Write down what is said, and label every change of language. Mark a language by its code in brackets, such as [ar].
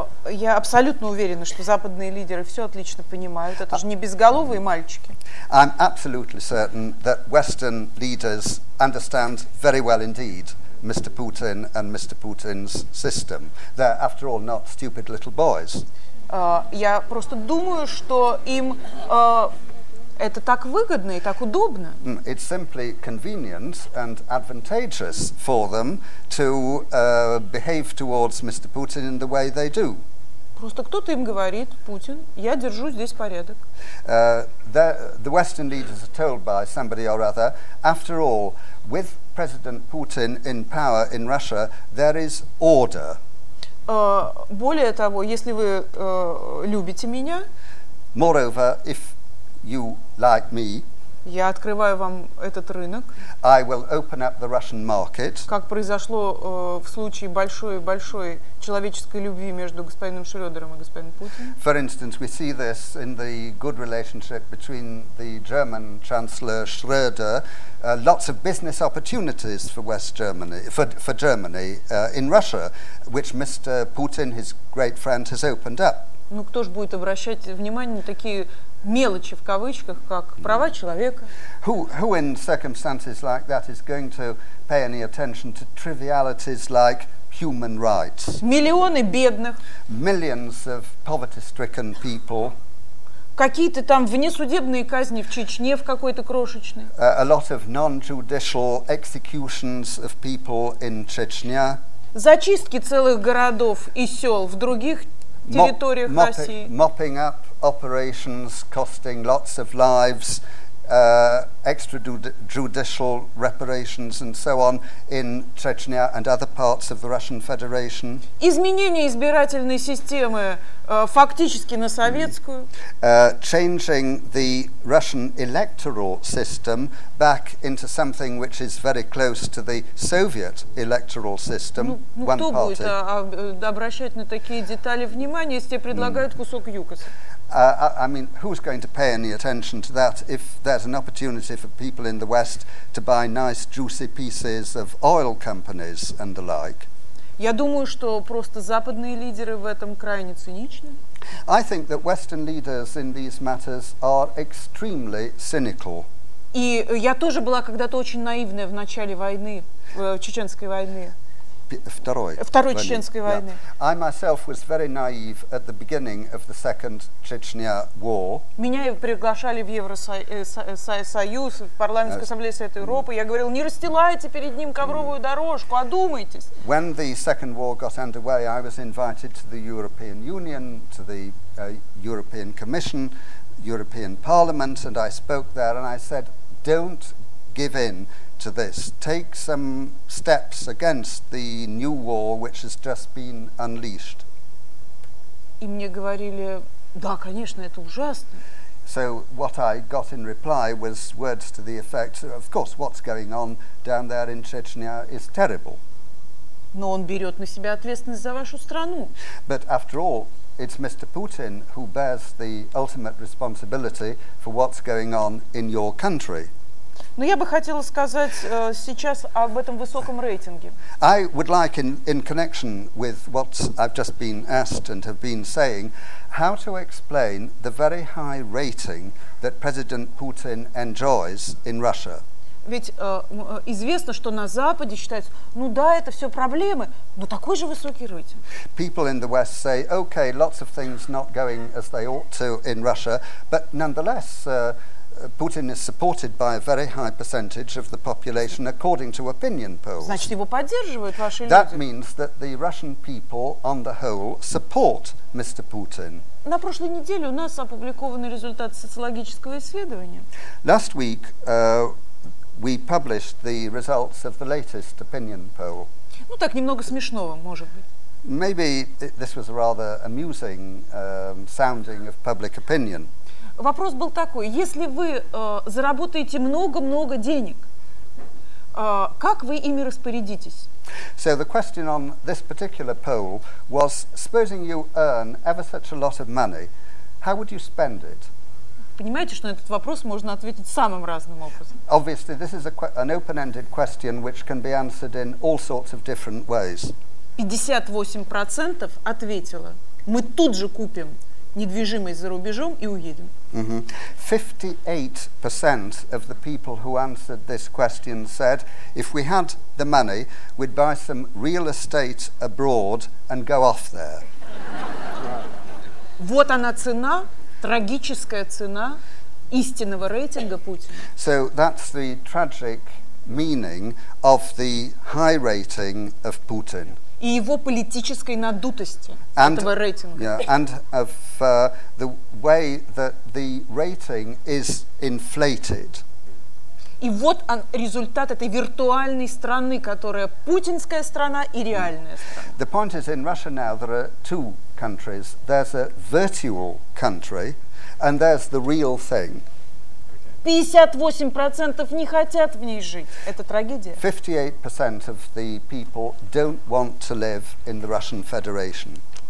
[ru] Я абсолютно уверена, что западные лидеры все отлично понимают. Это же не безголовые мальчики. [en] I'm absolutely certain that Western leaders understand very well indeed Mr. Putin and Mr. Putin's system. They're, after all, not stupid little boys. [ru] Я просто думаю, что им Это так выгодно и так удобно. [en] It's simply convenient and advantageous for them to behave towards Mr. Putin in the way they do. [ru] Просто кто-то им говорит, Путин, я держу здесь порядок. [en] The Western leaders are told by somebody or other, after all, with President Putin in power in Russia, there is order. [ru] Более того, если вы любите меня, [en] moreover, if you like me, [ru] я открываю вам этот рынок, [en] I will open up the Russian market, [ru] как произошло в случае большой-большой человеческой любви между господином Шрёдером и господином Путиным. [en] For instance, we see this in the good relationship between the German Chancellor Schröder. Lots of business opportunities for West Germany, for Germany in Russia, which Mr. Putin, his great friend, has opened up. [ru] Ну кто ж будет обращать внимание на такие мелочи в кавычках, как права человека? [en] Who in circumstances like that is going to pay any attention to trivialities like human rights? [ru] Миллионы бедных. [en] Millions of poverty-stricken people. [ru] Какие-то там внесудебные казни в Чечне в какой-то крошечной. [en] A lot of non-judicial executions of people in Chechnya. [ru] Зачистки целых городов и сел в других территориях России. [en] Mopping up operations costing lots of lives, extrajudicial reparations and so on in Chechnya and other parts of the Russian Federation. [ru] Изменение избирательной системы фактически на советскую. [en] Changing the Russian electoral system back into something which is very close to the Soviet electoral system. [ru] Ну, кто будет обращать на такие детали внимание, если тебе предлагают кусок ЮКОСа? [en] I mean, who's going to pay any attention to that if there's an opportunity for people in the West to buy nice juicy pieces of oil companies and the like? [ru] Я думаю, что просто западные лидеры в этом крайне циничны. [en] I think that Western leaders in these matters are extremely cynical. [ru] И я тоже была когда-то очень наивная в начале войны, чеченской войны. Второй чеченской войны. Yeah. [en] I myself was very naive at the beginning of the Second Chechnya War. [ru] Меня приглашали в Евросоюз, в парламентскую ассамблею Совета Европы. Я говорил, не расстилайте перед ним ковровую дорожку, одумайтесь. [en] When the Second War got underway, I was invited to the European Union, to the European Commission, European Parliament, and I spoke there and I said, don't give in to this. Take some steps against the new war which has just been unleashed. [ru] И мне говорили, да, конечно, это ужасно. [en] So what I got in reply was words to the effect, of course, what's going on down there in Chechnya is terrible. [ru] Но он берет на себя ответственность за вашу страну. [en] But after all, it's Mr. Putin who bears the ultimate responsibility for what's going on in your country. [ru] Но я бы хотела сказать сейчас об этом высоком рейтинге. [en] I would like, in connection with what I've just been asked and have been saying, how to explain the very high rating that President Putin enjoys in Russia. [ru] Ведь известно, что на Западе считается, ну да, это все проблемы, но такой же высокий рейтинг. [en] People in the West say, okay, lots of things not going as they ought to in Russia, but nonetheless, Putin is supported by a very high percentage of the population, according to opinion polls. [ru] Значит, его поддерживают ваши люди. [en] That means that the Russian people, on the whole, support Mr. Putin. [ru] На прошлой неделе у нас опубликованы результаты социологического исследования. [en] Last week, we published the results of the latest opinion poll. [ru] Ну так, немного смешного, может быть. [en] Maybe this was a rather amusing sounding of public opinion. [ru] Вопрос был такой, если вы заработаете много-много денег, как вы ими распорядитесь? [en] So the question on this particular poll was, supposing you earn ever such a lot of money, how would you spend it? [ru] Понимаете, что на этот вопрос можно ответить самым разным образом. [en] Obviously, this is an open-ended question which can be answered in all sorts of different ways. [ru] 58% ответило, мы тут же купим недвижимость за рубежом и уедем. Mm-hmm. [en] 58% of the people who answered this question said, if we had the money, we'd buy some real estate abroad and go off there. [ru] Вот она цена, трагическая цена. истинного рейтинга Путина. [en] So that's the tragic meaning of the high rating of Putin. [ru] И его политической надутости этого рейтинга. [en] Yeah, and of the way that the rating is inflated. [ru] И вот он, результат этой виртуальной страны, которая путинская страна и реальная страна. [en] The point is, in Russia now there are two countries. There's a virtual country, and there's the real thing. [ru] 58% не хотят в ней жить. Это трагедия. [en] 58% of the people don't want to live in the Russian Federation.